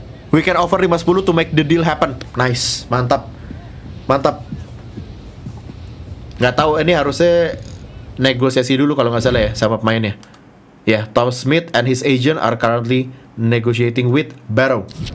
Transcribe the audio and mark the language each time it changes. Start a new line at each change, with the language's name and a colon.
English: We can offer 510 to make the deal happen. Nice.
Indonesian: Mantap. Gak tahu ini harusnya negosiasi dulu kalau gak salah ya sama pemainnya.
English: Ya, yeah, Tom Smith and his agent are currently negotiating with Barrow.